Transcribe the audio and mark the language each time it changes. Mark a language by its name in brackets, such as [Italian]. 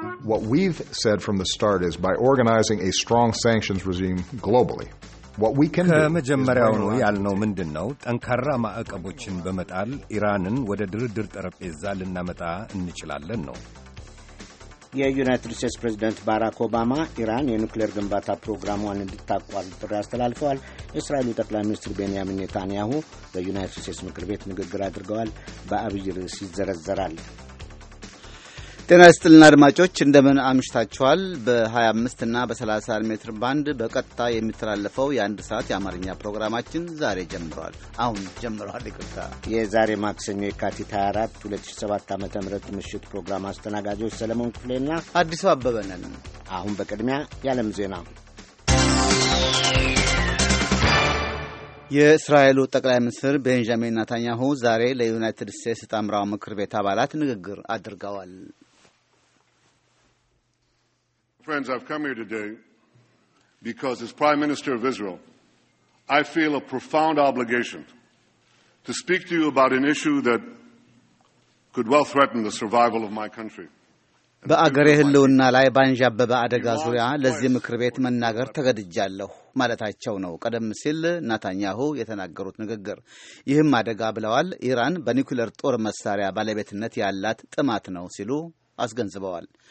[English] What we've said from the start is by organizing a strong sanctions regime globally. What we can do is [Amharic] መጀመሪያውኑ ያልነው ምንድነው ጠንካራ ማዕቀቦችን በመጣል ኢራንን ወደ ድርድር ጠረጴዛ ልናመጣ እንችላለን ነው። የዩናይትድ ስቴትስ ፕሬዝዳንት ባራክ ኦባማ ኢራን የኒውክሌር ግንባታ ፕሮግራሟን እንድታቋርጥ ጥሪ አስተላልፈዋል። እስራኤል ጠቅላይ ሚኒስትር ቤንያሚን ኔታንያሁ በዩናይትድ ስቴትስ ምክር ቤት ንግግር አድርገዋል። በአብይ ርዕስ ይዘረዘራል። ጤና ይስጥልን አድማጮች፣ እንደምን አምሽታችኋል? በ25 እና በ30 ሜትር ባንድ በቀጥታ የሚተላለፈው የአንድ ሰዓት የአማርኛ ፕሮግራማችን ዛሬ ጀምሯል። ይቅርታ፣ የዛሬ ማክሰኞ የካቲት 24 2007 ዓ.ም ምሽት ፕሮግራም አስተናጋጆች ሰለሞን ክፍሌና አዲሱ አበበ ነን። አሁን በቅድሚያ የዓለም ዜና። የእስራኤሉ ጠቅላይ ሚኒስትር ቤንጃሚን ኔታንያሁ ዛሬ ለዩናይትድ ስቴትስ ጠምራው ምክር ቤት አባላት ንግግር አድርገዋል። [English] Friends, I've come here today because as Prime Minister of Israel, I feel a profound obligation to speak to you about an issue that could well threaten the survival of my country. [Amharic] በአገሬ ህልውና ላይ ባንዣበበ አደጋ ዙሪያ ለዚህ ምክር ቤት መናገር ተገድጃለሁ ማለታቸው ነው ቀደም ሲል ኔታንያሁ የተናገሩት ንግግር። ይህም አደጋ ብለዋል ኢራን በኒኩለር ጦር መሳሪያ ባለቤትነት ያላት ጥማት ነው ሲሉ አስገንዝበዋል።